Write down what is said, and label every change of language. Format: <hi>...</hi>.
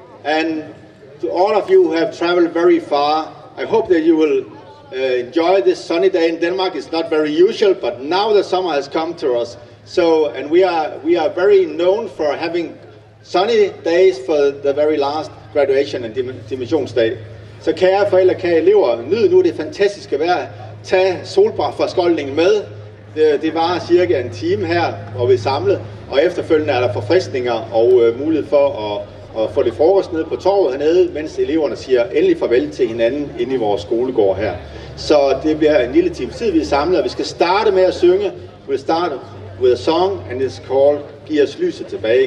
<en>And to all of you who have traveled very far, I hope that you will enjoy this sunny day in Denmark. It's not very usual, but now the summer has come to us. So, and we are very known for having sunny days for the very last graduation and dimissionsdag.</en> <da>Så kære forældre, kære elever, nyd nu det fantastiske vejr. Tag solbrændforskoldningen med. Det var cirka en time her, hvor vi er samlet. Og efterfølgende er der forfriskninger og mulighed for at få lidt frokost nede på torvet hernede, mens eleverne siger endelig farvel til hinanden inde i vores skolegård her. Så det bliver en lille times tid, vi er samlet. Vi skal starte med at synge.</da> <en>We'll start with a song, and it's called Giv os lyset tilbage.</en>